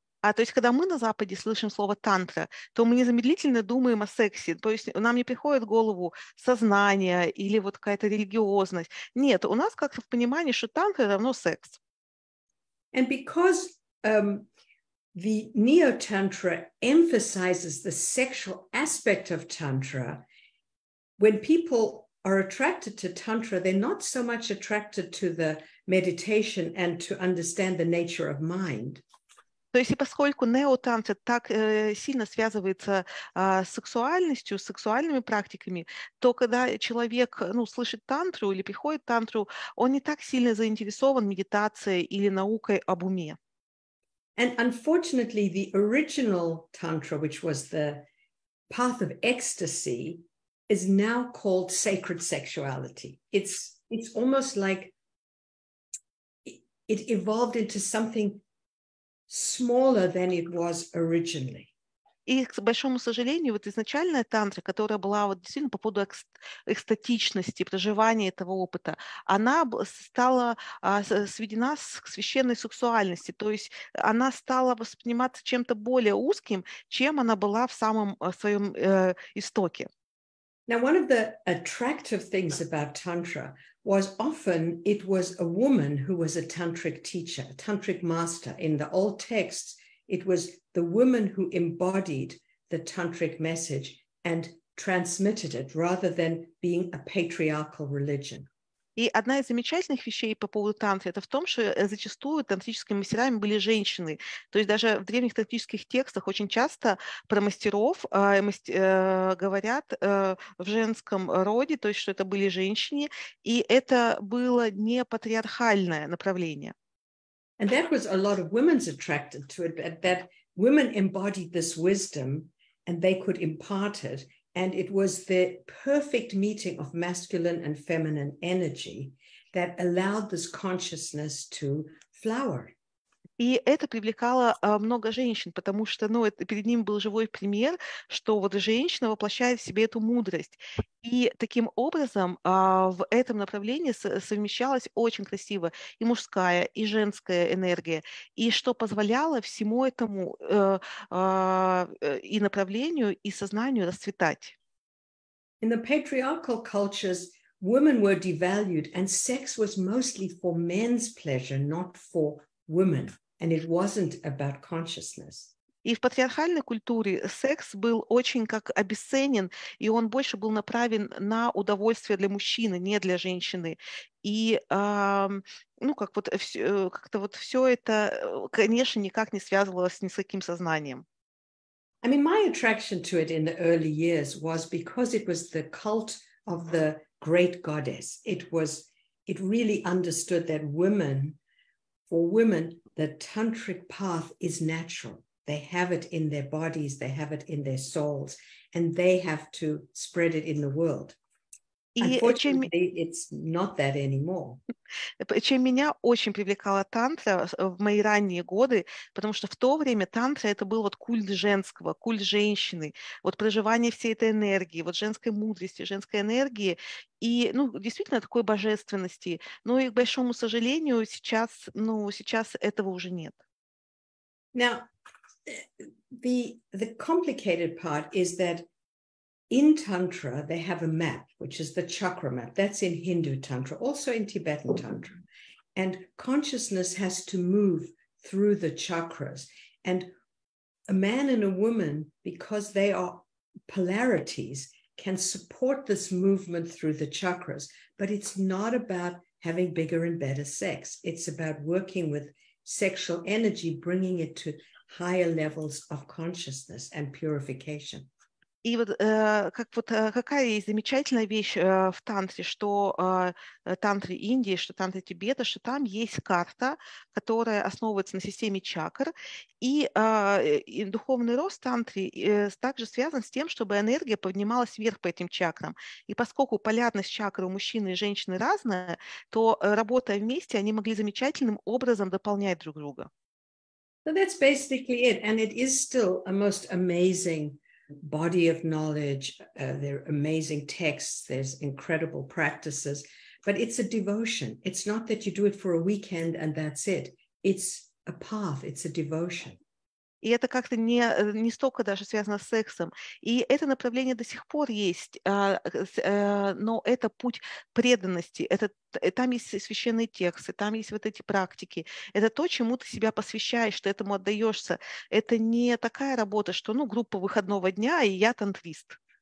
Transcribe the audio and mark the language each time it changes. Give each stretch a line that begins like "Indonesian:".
Russian: А то есть, когда мы на Западе слышим слово «тантра», то мы незамедлительно думаем о сексе. То есть нам не приходит в голову сознание или вот какая-то религиозность. Нет, у нас как-то в понимании, что тантра равно секс.
English: And because the neo-tantra emphasizes the sexual aspect of tantra, when people are attracted to tantra, they're not so much attracted to the meditation and to understand the nature of mind.
Russian: То есть, и поскольку нео-тантра так сильно связывается с сексуальностью, с сексуальными практиками, то когда человек, ну, слышит тантру или приходит к тантру, он не так сильно заинтересован медитацией или наукой об уме.
English: And unfortunately, the original tantra, which was the path of ecstasy, is now called sacred sexuality. It's almost like it evolved into something smaller than it was originally.
Russian: И, к большому сожалению, вот изначальная тантра, которая была вот действительно по поводу экстатичности, проживания этого опыта, она стала сведена к священной сексуальности, то есть она стала восприниматься чем-то более узким, чем она была в самом своем истоке.
English: Now, one of the attractive things about tantra was often it was a woman who was a tantric teacher, a tantric master. In the old texts, it was the woman who embodied the tantric message and transmitted it rather than being a patriarchal religion.
Russian: И одна из замечательных вещей по поводу тантры это в том, что зачастую тантрическими мастерами были женщины. То есть даже в древних тантрических текстах очень часто про мастеров говорят в женском роде, то есть что это были женщины, и это было не патриархальное направление.
English: And that was a lot of women's attracted to it, that women embodied this wisdom and they could impart it. And it was the perfect meeting of masculine and feminine energy that allowed this consciousness to flower.
Russian: И это привлекало много женщин, потому что, ну, это, перед ним был живой пример, что вот женщина воплощает в себе эту мудрость. И таким образом в этом направлении совмещалась очень красиво и мужская, и женская энергия. И что позволяло всему этому и направлению, и сознанию расцветать.
English: In the patriarchal cultures, women were devalued, and sex was mostly for men's pleasure, not for women. And it wasn't about consciousness.
Russian: И в патриархальной культуре секс был очень как обесценен, и он больше был направлен на удовольствие для мужчины, не для женщины. И, ну, как вот, как-то вот все это, конечно, никак не связывалось ни с каким сознанием.
English: I mean, my attraction to it in the early years was because it was the cult of the great goddess. It really understood that women, for women, the tantric path is natural. They have it in their bodies, they have it in their souls, and they have to spread it in the world. Unfortunately, it's not that anymore.
Russian: Чем меня очень привлекала тантра в мои ранние годы, потому что в то время тантра это был вот культ женского, культ женщины, вот проживание всей этой энергии, вот женской мудрости, женской энергии и, ну, действительно такой божественности. Но и, к большому сожалению, сейчас, ну, сейчас этого уже нет.
English: Now, the complicated part is that in tantra, they have a map, which is the chakra map. That's in Hindu tantra, also in Tibetan tantra. And consciousness has to move through the chakras. And a man and a woman, because they are polarities, can support this movement through the chakras. But it's not about having bigger and better sex. It's about working with sexual energy, bringing it to higher levels of consciousness and purification.
Russian: И вот, как вот какая есть замечательная вещь в тантре, что тантре Индии, что тантре Тибета, что там есть карта, которая основывается на системе чакр, и духовный рост тантре также связан с тем, чтобы энергия поднималась вверх по этим чакрам. И поскольку полярность чакр у мужчины и женщины разная, то работая вместе, они могли замечательным образом дополнять друг друга.
English: So that's basically it, and it is still a most amazing body of knowledge, there are amazing texts, there's incredible practices, But it's a devotion. It's not that you do it for a weekend and that's it. It's a path. It's a devotion.
Russian: И это как-то не столько даже связано с сексом. И это направление до сих пор есть, но это путь преданности. Это, там есть священные тексты, там есть вот эти практики. Это то, чему ты себя посвящаешь, что этому отдаешься. Это не такая работа, что, ну, группа выходного дня, и я тантрист.